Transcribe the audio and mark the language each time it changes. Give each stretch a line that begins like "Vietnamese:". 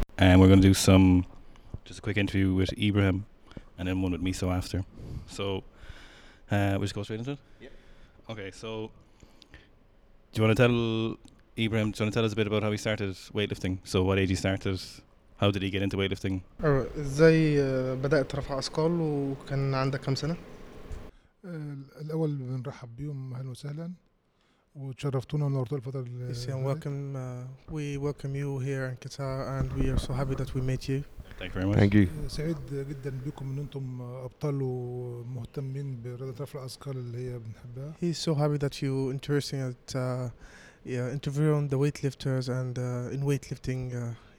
English: And we're going to do just a quick interview with Ibrahim and then one with Miso after. So we just go straight into it? Yeah. Okay, so Do you want to tell us a bit about how he started weightlifting? So what age he started? How did he get into weightlifting?
Arabic: ازاي بدات رفع اثقال وكان عندك كم سنه؟ الاول بنرحب بيهم اهلا وسهلا وتشرفتونا ونورتوا الفترة
English: اللي we welcome you here in Qatar and we are so happy that we met you. Thank you very much. Thank you.
Arabic: سعيد جدا بكم ان انتم ابطال ومهتمين برياضه رفع الاثقال اللي هي بنحبها.
English: He's so happy that you interesting at interviewing the weightlifters and in weightlifting